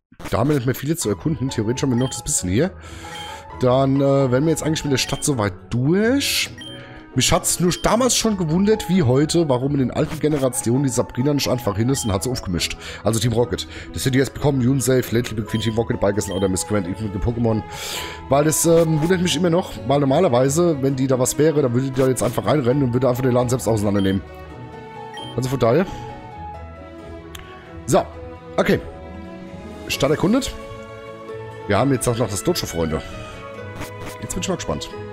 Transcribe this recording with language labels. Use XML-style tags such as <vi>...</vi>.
<de>Da haben wir nicht mehr viele zu erkunden. Theoretisch haben wir noch das bisschen hier. Dann wären wir jetzt eigentlich mit der Stadt soweit durch. Mich hat es nur damals schon gewundert, wie heute, warum in den alten Generationen die Sabrina nicht einfach hin ist und hat sie aufgemischt. Also Team Rocket.</de> <en>Das City has become unsafe, lately between Team Rocket, Bikers and other misgrant, even with the Pokémon.</en> <de>Weil das wundert mich immer noch, weil normalerweise, wenn die da was wäre, dann würde die da jetzt einfach reinrennen und würde einfach den Laden selbst auseinandernehmen. Also von daher. So. Okay. Stadt erkundet. Wir haben jetzt auch noch das Dojo, Freunde. Jetzt bin ich mal gespannt.</de>